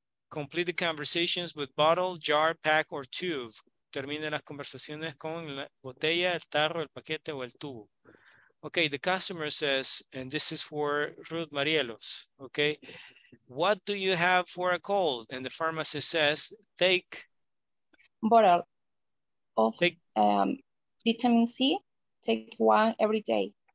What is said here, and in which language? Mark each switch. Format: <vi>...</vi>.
<en>Complete the conversations with bottle, jar, pack, or tube.</en> <es>Termine las conversaciones con la botella, el tarro, el paquete, o el tubo.</es> <en>Okay, the customer says, and this is for Ruth Marielos, okay? What do you have for a cold? And the pharmacist says, take... Bottle of vitamin C, take one every day.</en>